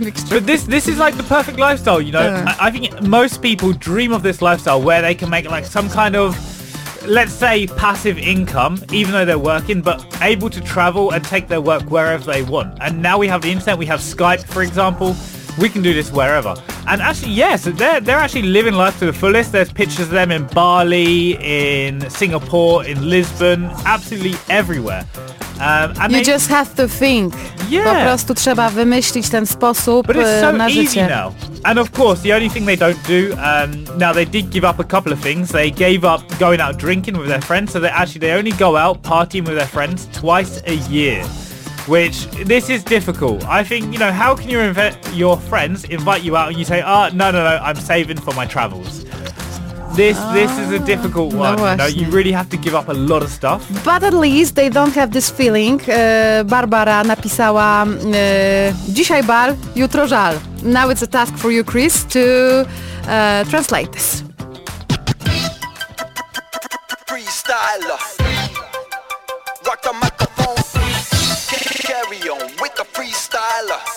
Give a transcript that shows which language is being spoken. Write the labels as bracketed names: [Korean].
[English] But this is like the perfect lifestyle, you know. I think most people dream of this lifestyle where they can make like some kind of, let's say, passive income, even though they're working, but able to travel and take their work wherever they want. And now we have the internet, we have Skype, for example. We can do this wherever. And actually, yes, they're actually living life to the fullest. There's pictures of them in Bali, in Singapore, in Lisbon, absolutely everywhere. Just have to think. Yeah. [Polish] Po prostu trzeba wymyślić ten sposób [English] but it's so [Polish] na [English] easy [Polish] życie. [English] Now. And of course, the only thing they don't do, now they did give up a couple of things. They gave up going out drinking with their friends, so they only go out partying with their friends twice a year. Which, this is difficult. I think, you know, how can your friends invite you out and you say, oh, no, I'm saving for my travels. This is a difficult one. No, you know, you really have to give up a lot of stuff. But at least they don't have this feeling. [Polish] Barbara napisała, dzisiaj bal, jutro żal. [English] Now it's a task for you, Chris, to translate this. Freestyle. Rock the microphone. Carry on with the freestyle.